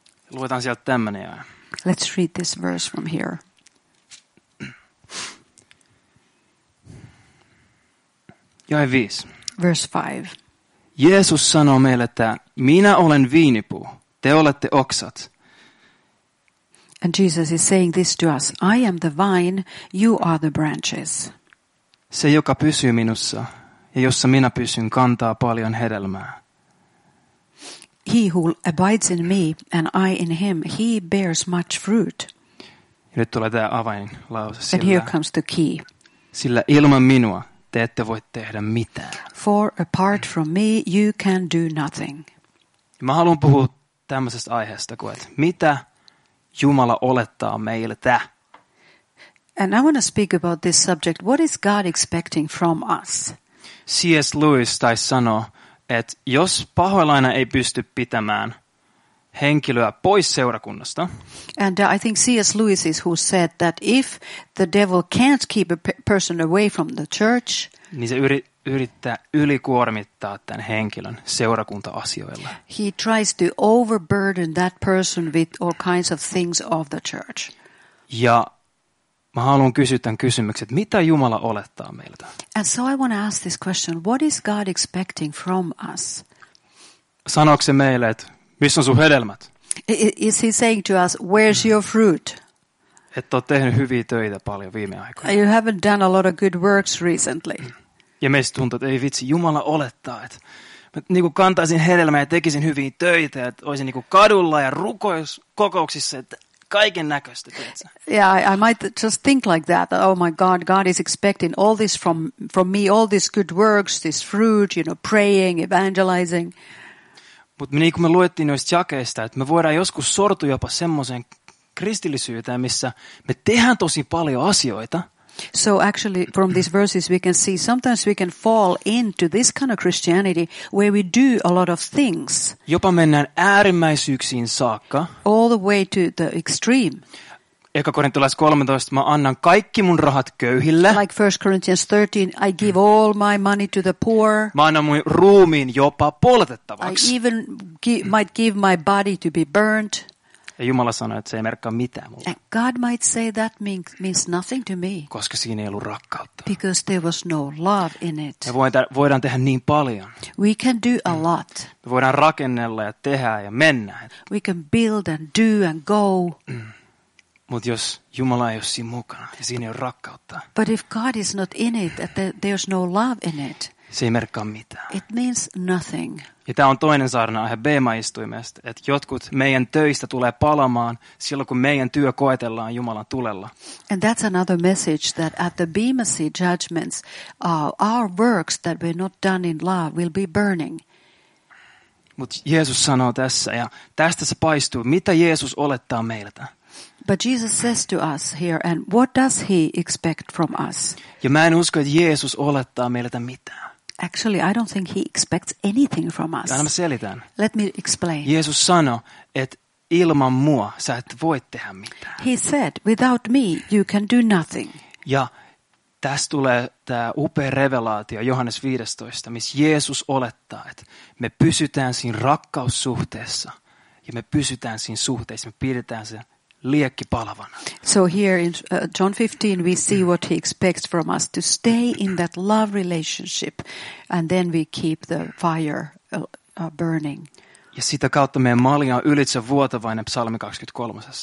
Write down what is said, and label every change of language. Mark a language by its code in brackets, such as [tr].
[fi] Luetaan sieltä tämmönen jae. [en] Let's read this verse from here. [fi] Jae 5. [en] Verse 5. [fi] Jeesus sanoo meille, että minä olen viinipuu, te olette oksat. [en] And Jesus is saying this to us, I am the vine, you are the branches. [fi] Se, joka pysyy minussa ja jossa minä pysyn, kantaa paljon hedelmää. [en] He who abides in me and I in him, he bears much fruit. [fi] Ja nyt tulee tämä avainlause. [en] And here comes the key. [fi] Sillä ilman minua te ette voi tehdä mitään. [en] For apart from me, you can do nothing. [fi] Mä haluan puhua tämmöisestä aiheesta kuin, että mitä Jumala olettaa meiltä. [en] And I want to speak about this subject. What is God expecting from us? C.S. [fi] Lewis taisi sanoa, että jos paholainen ei pysty pitämään henkilöä pois seurakunnasta. [en] And I think C.S. Lewis is who said that if the devil can't keep a person away from the church, [fi] niin se yrittää ylikuormittaa tämän henkilön seurakunta-asioilla. [en] He tries to overburden that person with all kinds of things of the church. [fi] Ja mä haluan kysyä tämän kysymyksen, että mitä Jumala olettaa meiltä? [en] And so I want to ask this question, what is God expecting from us? [fi] Sanooko se meille, että missä on sun hedelmät? [en] Is he saying to us, where's your fruit? [fi] Että oot tehnyt hyviä töitä paljon viime aikoina. [en] You haven't done a lot of good works recently. [fi] Ja meistä tuntuu, että ei vitsi, Jumala olettaa, että niin kuin kantaisin hedelmää ja tekisin hyviä töitä, että olisin niin kuin kadulla ja rukouskokouksissa, että kaiken näköistä, tiedätkö? [en] Yeah, I might just think like that, that, oh my God, God is expecting all this from me, all these good works, this fruit, you know, praying, evangelizing. [fi] Mutta niin kuin me luettiin noista jakeista, että me voidaan joskus sortua jopa semmoiseen kristillisyyteen, missä me tehdään tosi paljon asioita. [en] So actually, from these verses, we can see sometimes we can fall into this kind of Christianity where we do a lot of things. [fi] Jopa mennään äärimmäisyyksiin saakka. [en] All the way to the extreme. [fi] Eka Korintolais 13, mä annan kaikki mun rahat köyhille. [en] Like 1 Corinthians 13, I give all my money to the poor. [fi] Mä annan mun ruumiin jopa poltettavaksi. [en] I even might give my body to be burnt. [fi] Ja Jumala sanoi, että se ei merkkaa mitään mulle. [en] And God might say that means nothing to me. [fi] Koska siinä ei ollut rakkautta. [en] Because there was no love in it. [fi] Me voidaan tehdä niin paljon. [en] We can do a lot. [fi] Me voidaan rakennella ja tehdä ja mennä. [en] We can build and do and go. [fi] Mut jos Jumala ei ole siinä mukana, niin siinä ei ole rakkautta. [en] But if God is not in it, there's no love in it. [fi] Se ei merkkaa mitään. [en] It means nothing. [fi] Ja tämä on toinen saarna aihe Beema-istuimesta, että jotkut meidän töistä tulee palamaan silloin, kun meidän työ koetellaan Jumalan tulella. [en] And that's another message, that at the Beema Sea judgments, our works that were not done in love will be burning. [fi] Mutta Jeesus sanoo tässä, ja tästä se paistuu, mitä Jeesus olettaa meiltä. [en] But Jesus says to us here, and what does he expect from us? [fi] Ja mä en usko, että Jeesus olettaa meiltä mitään. [en] Actually, I don't think he expects anything from us. [fi] Anna mä selitän. [en] Let me explain. [fi] Jeesus sanoi, että ilman mua sä et voi tehdä mitään. [en] He said, without me you can do nothing. [fi] Ja tässä tulee tämä upea revelaatio Johannes 15, missä Jeesus olettaa, että me pysytään siinä rakkaussuhteessa ja me pysytään siinä suhteessa, me pidetään sen liekki palavana. [en] So here in John 15 we see what he expects from us to stay in that love relationship and then we keep the fire burning. [fi] Ja sitä kautta meidän malja on ylitse vuotavainen psalmi 23.